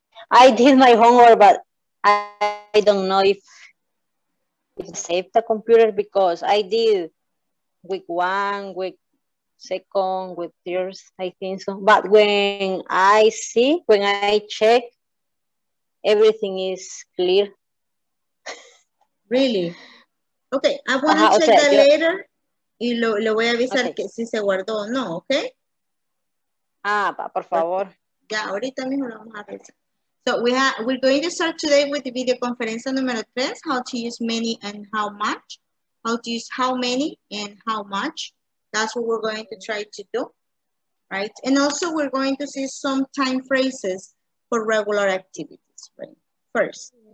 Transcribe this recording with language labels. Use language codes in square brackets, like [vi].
[en] I did my homework, but I don't know if it saved the computer because I did week one, week second, week third, I think so. But when I see, when I check, everything is clear. Really? Okay, I want to check that later. [es] Y lo voy a avisar que si se guardó o no, ¿ok? Ah, pa, por favor. Ya, ahorita mismo lo vamos a revisar. [en] So, we're going to start today with the video conferencia número 3, how to use many and how much. How to use how many and how much. That's what we're going to try to do, right? And also, we're going to see some time phrases for regular activities, right? First.